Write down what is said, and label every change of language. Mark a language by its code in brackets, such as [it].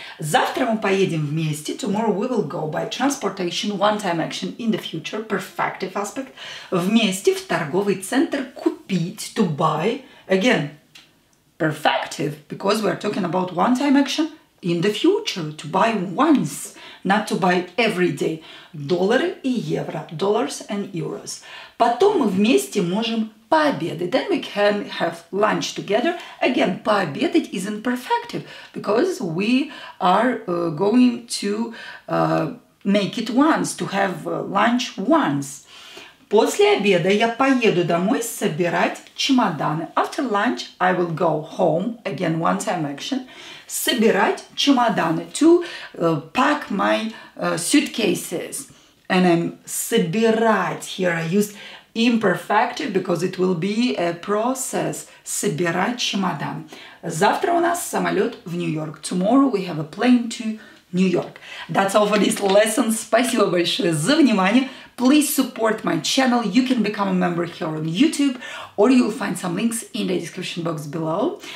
[ru] Завтра мы поедем вместе. [en] Tomorrow we will go by transportation, one-time action in the future, perfective aspect. [ru] Вместе в торговый центр купить, [en] to buy. Again, perfective, because we are talking about one-time action in the future, to buy once, not to buy every day. [ru] Доллары и евро. [en] Dollars and euros. [ru] Потом мы вместе можем пообедать. [en] Then we can have lunch together. Again, пообедать is imperfective, because we are going to make it once, to have lunch once. [ru] После обеда я поеду домой собирать чемоданы. [en] After lunch, I will go home, again, one-time action, [ru] собирать чемоданы, [en] to pack my suitcases. And I'm собирать, here I used imperfective, because it will be a process, [ru] собирать чемодан. Завтра у нас самолет в Нью-Йорк. [en] Tomorrow we have a plane to New York. That's all for this lesson. [ru] Спасибо большое за внимание. [en] Please support my channel. You can become a member here on YouTube, or you'll find some links in the description box below.